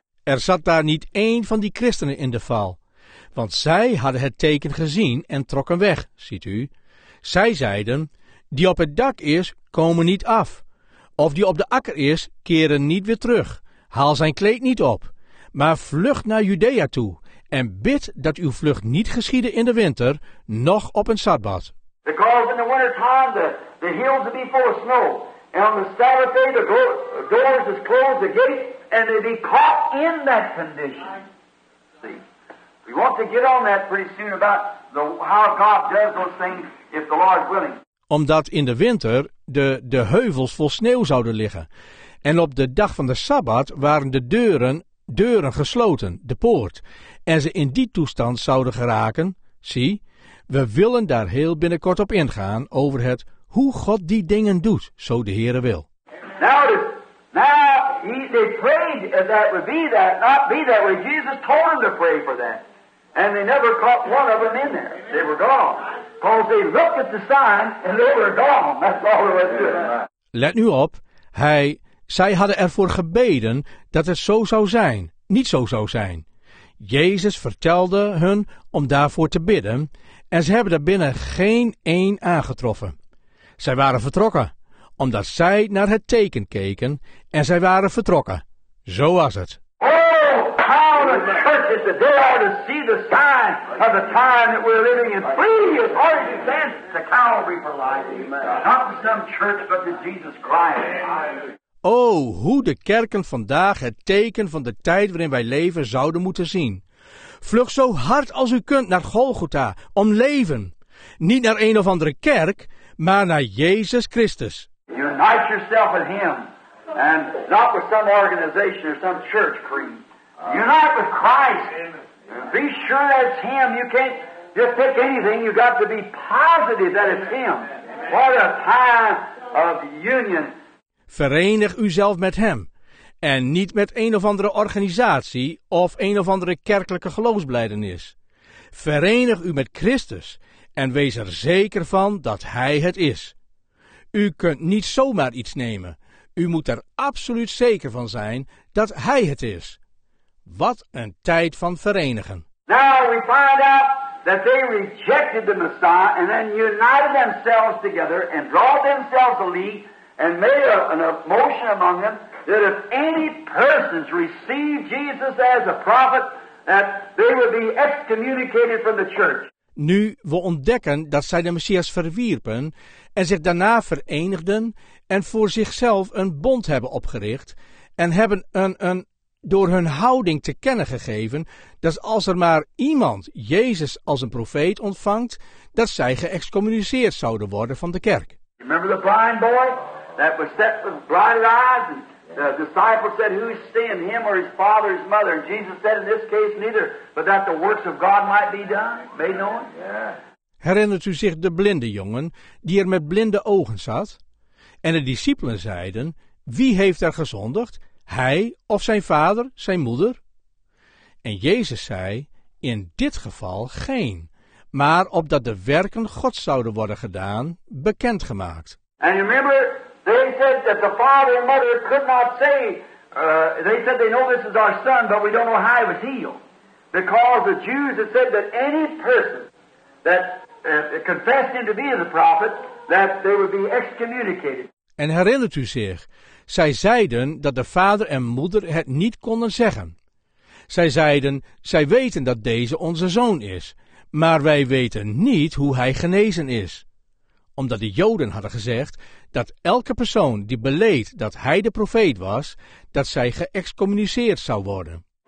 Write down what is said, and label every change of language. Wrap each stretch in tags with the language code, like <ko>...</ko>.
<nl>Er zat daar niet één van die christenen in de val. Want zij hadden het teken gezien en trokken weg, ziet u. Zij zeiden, die op het dak is, komen niet af. Of die op de akker is, keren niet weer terug. Haal zijn kleed niet op, maar vlucht naar Judea toe. En bid dat uw vlucht niet geschiede in de winter, noch op een sabbat.</nl> <en>Because in the winter time the hills will be full of snow. And on the Sabbath day the doors is closed, the gates, and they be caught in that condition. See, we want to get on that pretty soon about how God does those things if the Lord is willing.</en> <nl>Omdat in de winter de heuvels vol sneeuw zouden liggen. En op de dag van de Sabbat waren de deuren gesloten, de poort. En ze in die toestand zouden geraken, zie, we willen daar heel binnenkort op ingaan over het hoe God die dingen doet, zo de Heere wil.</nl> <en>Now they prayed that would be that, not be that way. Jesus told them to pray for that. And they never caught one of them in there. They were gone. Because they looked at the sign and they were gone. That's all there was to it.</en> <nl>Let nu op, zij hadden ervoor gebeden dat het zo zou zijn, niet zo zou zijn. Jezus vertelde hun om daarvoor te bidden en ze hebben daarbinnen geen één aangetroffen. Zij waren vertrokken, omdat zij naar het teken keken en zij waren vertrokken. Zo was het.</nl> <en>Oh, how the church is today to see the sign of the time that we're living in. Flee as hard as you can to Calvary for life. Not to some church, but to Jesus Christ.</en> <nl>O, hoe de kerken vandaag het teken van de tijd waarin wij leven zouden moeten zien. Vlug zo hard als u kunt naar Golgotha om leven. Niet naar een of andere kerk, maar naar Jezus Christus.</nl> <en>Unite yourself with him. And not with some organization or some church creed. Unite with Christ. Be sure that's him. You can't just pick anything. You got to be positive that it's him. What a time of union.</en> <nl>Verenig uzelf met hem en niet met een of andere organisatie of een of andere kerkelijke geloofsbelijdenis. Verenig u met Christus en wees er zeker van dat hij het is. U kunt niet zomaar iets nemen. U moet er absoluut zeker van zijn dat hij het is. Wat een tijd van verenigen.</nl> <en>Now we find out that they rejected the Messiah and then united themselves together and draw themselves a league. And made a motion among them that if any persons receive Jesus as a prophet, that they would be excommunicated from the church.</en> <nl>Nu we ontdekken dat zij de Messias verwierpen en zich daarna verenigden en voor zichzelf een bond hebben opgericht en hebben een door hun houding te kennen gegeven dat als er maar iemand Jezus als een profeet ontvangt, dat zij geëxcommuniceerd zouden worden van de kerk.</nl> <en>Remember the blind boy? That was set with blinded eyes, and the disciples said, "Who is sin, him or his father, his mother?" And Jesus said, "In this case, neither, but that the works of God might be done, made known." Yeah.</en> <nl>Herinnert u zich de blinde jongen die er met blinde ogen zat? En de discipelen zeiden, "Wie heeft er gezondigd, hij of zijn vader, zijn moeder?" En Jezus zei, "In dit geval geen, maar opdat de werken Gods zouden worden gedaan, bekendgemaakt."</nl> <en>And remember, they said that the father and mother could not say, they said they know this is our son, but we don't know how he was healed. Because the Jews had said that any person that confessed him to be the prophet, that they would be excommunicated.</en> <nl>En herinnert u zich, zij zeiden dat de vader en moeder het niet konden zeggen. Zij zeiden, zij weten dat deze onze zoon is, maar wij weten niet hoe hij genezen is. Omdat de Joden hadden gezegd dat elke persoon die beleed dat hij de profeet was, dat zij geëxcommuniceerd zou worden.</nl>